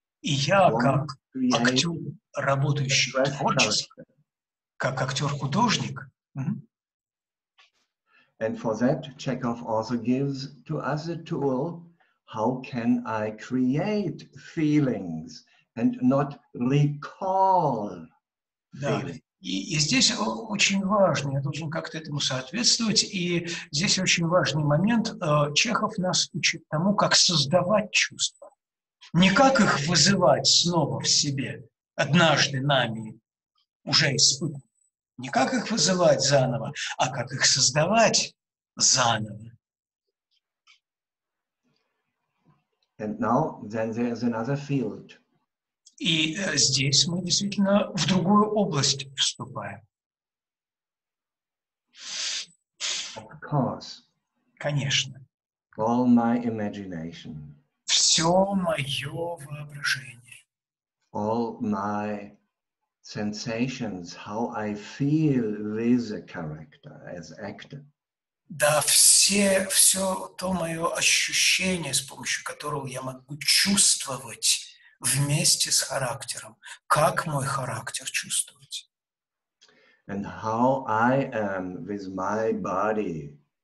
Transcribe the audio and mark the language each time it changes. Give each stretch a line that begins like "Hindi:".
Russian: и я как актер, работающий творчески, как актер-художник.
English: And for that, Chekhov also gives to us a tool: how can I create feelings and not recall feelings?
Russian: И здесь очень важно, я должен как-то этому соответствовать, и здесь очень важный момент. Чехов нас учит тому, как создавать чувства. Не как их вызывать снова в себе, однажды нами уже испытывать. Не как их вызывать заново, а как их создавать заново.
English: And now, then there's another field.
Russian: И здесь мы действительно в другую область вступаем.
English: Of course.
Russian: Конечно.
English: All my imagination.
Russian: Все мое воображение.
English: All my sensations, how I feel with a character as actor.
Russian: Да, все то мое ощущение, с помощью которого я могу чувствовать вместе с характером, как мой характер чувствовать.
English: And how I am with my body.